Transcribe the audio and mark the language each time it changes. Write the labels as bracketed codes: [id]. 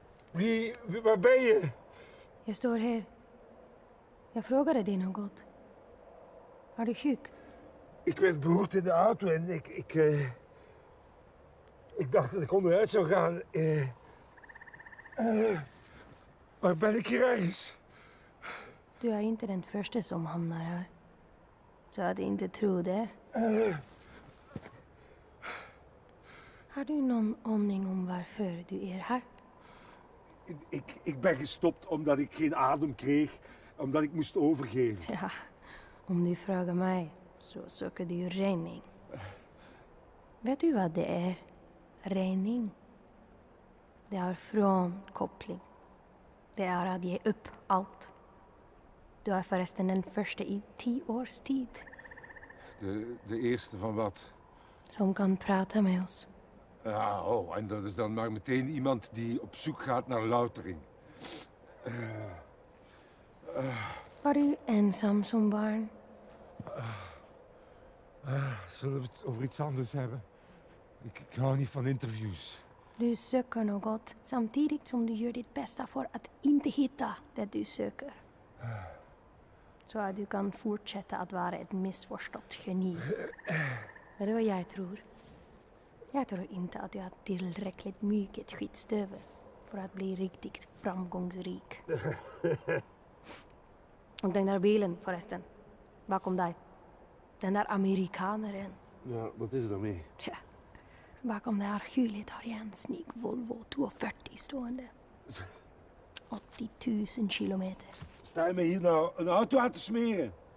[nl] Wie, waar ben je? Je stoor hier. Je vroeg er een ding God. Waar de huik? Ik werd beroerd in de auto en ik dacht dat ik onderuit zou gaan. Waar ben ik hier ergens? [sv] Du har inte den första som hamnar här. Så jag hade inte trott det. Har du någon aning om varför du är här? [nl] Ik ben gestopt omdat ik geen adem kreeg. Omdat ik moest overgeven. [sv] Ja, om du frågar mig så söker du rening. Vet du vad det är? Rening. Det är frånkoppling. Det är att ge upp allt. Du är förresten den första i 10 års tid. [nl] De eerste van wat? [sv] Som kan prata med oss. [nl] Ja, oh, en dat is dan maar meteen iemand die op zoek gaat naar loutering. [sv] Var du ensam som barn? [nl] Zullen we het over iets anders hebben? Ik hou niet van interviews. [sv] Du söker något samtidigt som du gör ditt bästa för att inte hitta det du söker. Så att du kan fortsätta att vara ett missförstått geni. Vet du vad jag tror? Jag tror inte att du har tillräckligt mycket skitstöv för att bli riktigt framgångsrik. Och den där bilen förresten, bakom dig. Den där amerikaneren. Ja, vad är det med? Tja, bakom det här hjulet har jag en snygg Volvo 240 stående. 80 000 kilometer. [nl] Sta je mij hier nou een auto aan te smeren?